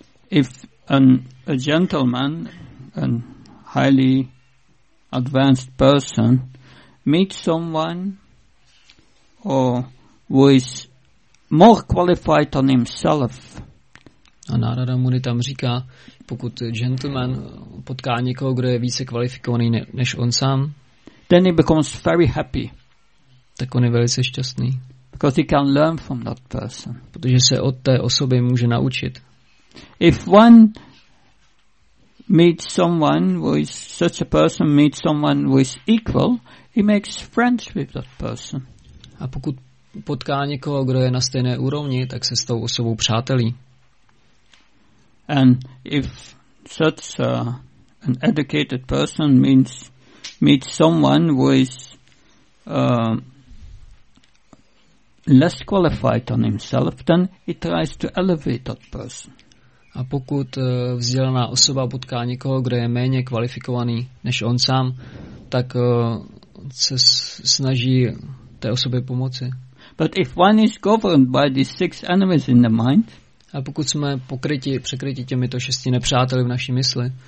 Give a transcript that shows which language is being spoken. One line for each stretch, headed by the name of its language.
English: If an, a gentleman, a highly advanced person, meets someone or who is more qualified than himself.
Czech: A Narada Muni tam říká, pokud gentleman potká někoho, kdo je více kvalifikovaný než on sám,
English: then he becomes very happy.
Czech: Tak on je velice šťastný.
English: Because he can learn from that person.
Czech: Protože se od té osoby může naučit.
English: If one meets someone who is such a person meets someone who is equal, he makes friends with that person.
Czech: A pokud potká někoho, kdo je na stejné úrovni, tak se s tou osobou přátelí.
English: And if such an educated person meets someone who is less qualified than himself, then he tries to elevate that person.
Czech: A pokud vzdělaná osoba potká někoho, kdo je méně kvalifikovaný než on sám, tak se snaží té osobě pomoci.
English: But if one is governed by these six enemies in the mind,
Czech: a pokud jsme pokryti, překryti těmito šesti nepřáteli v naší mysli,